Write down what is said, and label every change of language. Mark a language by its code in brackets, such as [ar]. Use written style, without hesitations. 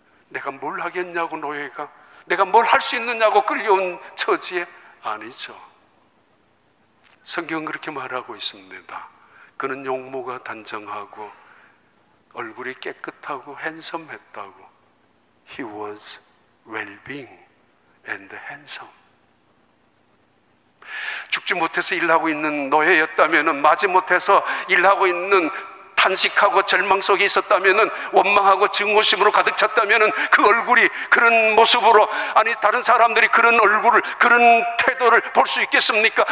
[ko] 내가 뭘 하겠냐고 노예가, 내가 뭘 할 수 있느냐고 끌려온 처지에, 아니죠. 성경은 그렇게 말하고 있습니다. 그는 용모가 단정하고 얼굴이 깨끗하고 핸섬했다고. [en] He was well-being and handsome. [ko] 죽지 못해서 일하고 있는 노예였다면, 마지못해서 일하고 있는 탄식하고 절망 속에 있었다면, 원망하고 증오심으로 가득 찼다면, 그 얼굴이 그런 모습으로, 아니 다른 사람들이 그런 얼굴을, 그런 태도를 볼 수 있겠습니까?